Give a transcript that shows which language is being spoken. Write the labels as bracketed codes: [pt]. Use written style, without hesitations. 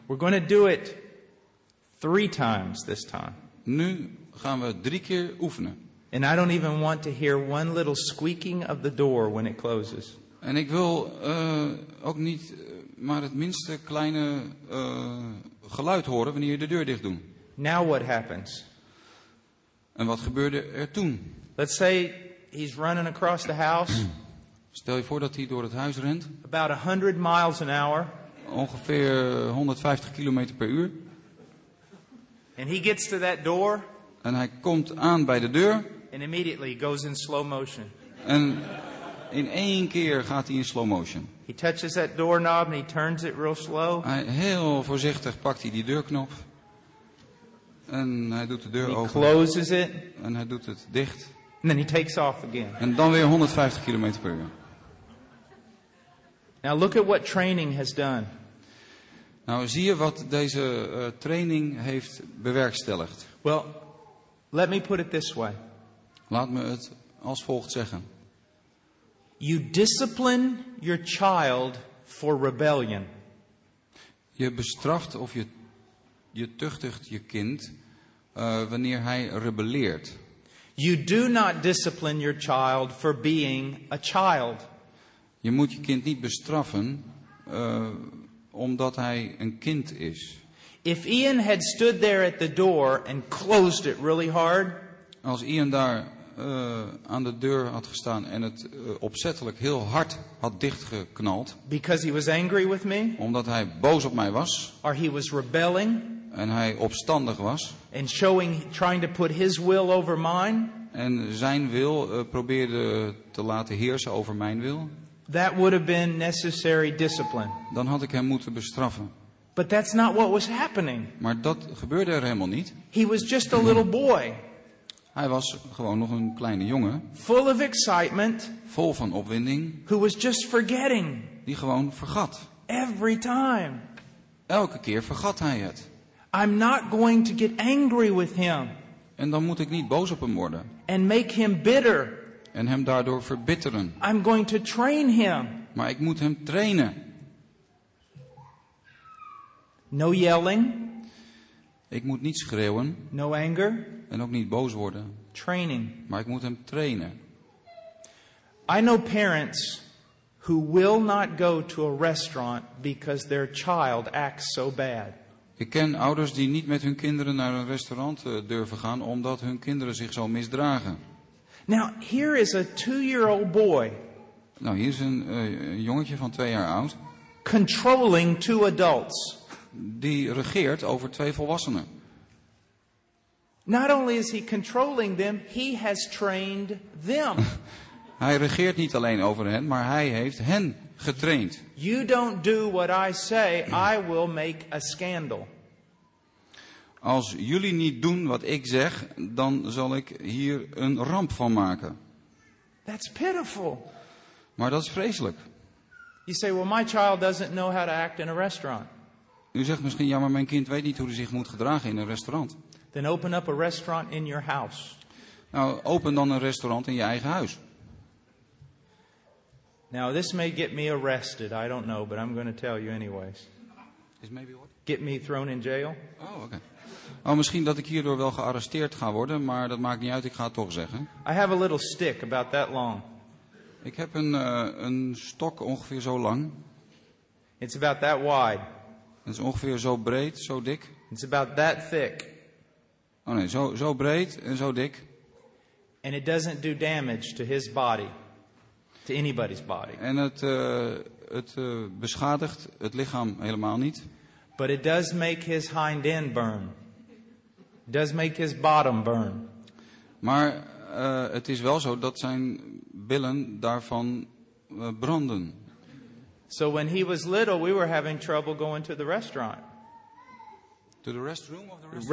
[en] We're going to do it 3 times this time. [nl] Nu gaan we 3 keer oefenen. [en] And I don't even want to hear one little squeaking of the door when it closes. [nl] En ik wil ook niet maar het minste kleine geluid horen wanneer je de deur dicht doet. [en] Now what happens? [nl] En wat gebeurde er toen? [en] Let's say he's running across the house. [nl] Stel je voor dat hij door het huis rent. [en] About 100 miles an hour. [nl] Ongeveer 150 kilometer per uur. [en] And he gets to that door. [nl] En hij komt aan bij de deur. [en] And immediately goes in slow motion. [nl] En in één keer gaat hij in slow motion. [en] He touches that doorknob and he turns it real slow. [nl] Hij heel voorzichtig pakt hij die deurknop. En hij doet de deur [en] he open. He closes it. [nl] En hij doet het dicht. [en] And then he takes off again. [nl] En dan weer 150 kilometer per uur. [en] Now look at what training has done. [nl] Nou zie je wat deze training heeft bewerkstelligd. [en] Well, let me put it this way. [nl] Laat me het als volgt zeggen. [en] You discipline your child for rebellion. [nl] Je bestraft of je tuchtigt je kind wanneer hij rebelleert. [en] You do not discipline your child for being a child. [nl] Je moet je kind niet bestraffen omdat hij een kind is. [en] If Ian had stood there at the door and closed it really hard. [nl] Als Ian daar aan de deur had gestaan en het opzettelijk heel hard had dichtgeknald. [en] Because he was angry with me. [nl] Omdat hij boos op mij was. [en] Or he was rebelling. [nl] En hij opstandig was. [en] And showing, trying to put his will over mine. [nl] En zijn wil probeerde te laten heersen over mijn wil. [en] That would have been necessary discipline. [nl] Dan had ik hem moeten bestraffen. [en] But that's not what was happening. [nl] Maar dat gebeurde er helemaal niet. [en] He was just a little boy. [nl] Hij was gewoon nog een kleine jongen. [en] Full of excitement. [nl] Vol van opwinding. [en] Who was just forgetting. [nl] Die gewoon vergat. [en] Every time. [nl] Elke keer vergat hij het. [en] I'm not going to get angry with him. [nl] En dan moet ik niet boos op hem worden. [en] And make him bitter. [nl] En hem daardoor verbitteren. [en] I'm going to train him. [nl] Maar ik moet hem trainen. [en] No yelling. [nl] Ik moet niet schreeuwen. [en] No anger. [nl] En ook niet boos worden. [en] Training. [nl] Maar ik moet hem trainen. [en] I know parents who will not go to a restaurant because their child acts so bad. [nl] Ik ken ouders die niet met hun kinderen naar een restaurant durven gaan omdat hun kinderen zich zo misdragen. [en] Now, here is a 2-year-old boy. [nl] Nou, hier is een jongetje van 2 jaar oud. [en] Controlling 2 adults. [nl] Die regeert over 2 volwassenen. [en] Not only is he controlling them, he has trained them. [nl] Hij regeert niet alleen over hen, maar hij heeft hen getraind. [en] You don't do what I say, I will make a scandal. [nl] Als jullie niet doen wat ik zeg, dan zal ik hier een ramp van maken. [en] That's pitiful. [nl] Maar dat is vreselijk. [en] You say, well, my child doesn't know how to act in a restaurant. [nl] U zegt misschien, ja, maar mijn kind weet niet hoe hij zich moet gedragen in een restaurant. [en] Then open up a restaurant in your house. [nl] Nou, open dan een restaurant in je eigen huis. [en] Now this may get me arrested. I don't know, but I'm going to tell you anyways. Is maybe what? Get me thrown in jail. Oh, okay. [nl] Oh, misschien dat ik hierdoor wel gearresteerd ga worden, maar dat maakt niet uit. Ik ga het toch zeggen. [en] I have a little stick about that long. [nl] Ik heb een stok ongeveer zo lang. [en] It's about that wide. [nl] Het is ongeveer zo breed, zo dik. [en] It's about that thick. [nl] Oh nee, zo breed en zo dik. [en] And it doesn't do damage to his body. To anybody's body. [nl] En het beschadigt het lichaam helemaal niet. [en] But it does make his hind end burn. It does make his bottom burn. [nl] Maar het is wel zo dat zijn billen daarvan branden. [en] So when he was little, we were having trouble going to the restaurant. To the restroom of the restaurant?